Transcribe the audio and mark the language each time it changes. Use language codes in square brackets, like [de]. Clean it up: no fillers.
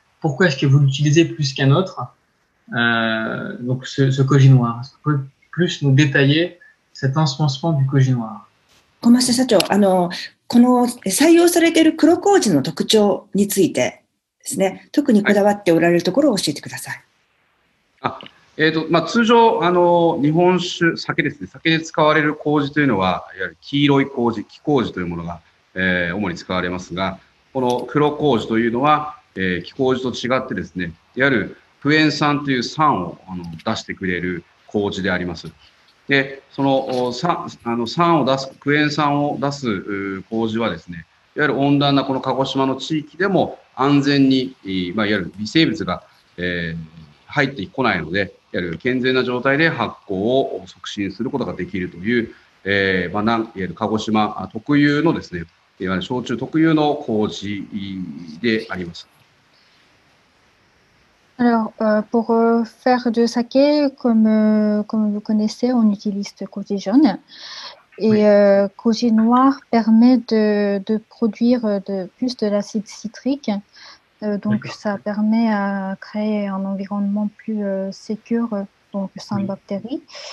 [fr] Pourquoi est-ce que vous l'utilisez plus qu'un autre, donc ce koji noir? Est-ce que vous pouvez plus nous détailler cet ensemencement du koji noir? [ja] Komasa 社長、この採用されている黒麹の特徴についてですね、特にこだわっておられるところを教えてください。はい、まあ、通常日本酒、酒ですね、酒で使われる麹というのは、いわゆる黄色い麹、黄麹というものが、主に使われますが、この黒麹というのは、黄麹と違ってですね、いわゆるクエン酸という酸を出してくれる麹であります。で、その、酸を出す、クエン酸を出す麹はですね、いわゆる温暖なこの鹿児島の地域でも安全に、まあ、いわゆる微生物が、入ってこないので、いわゆる健全な状態で発酵を促進することができるという、まあ、いわゆる鹿児島特有のですね、いわゆる焼酎特有の麹であります。 [fr] Alors, pour faire du saké, comme vous connaissez, on utilise le koji jaune. Et le koji noir permet de produire plus de l'acide citrique. Donc, ça permet à créer un environnement plus sécure, donc sans oui. bactéries.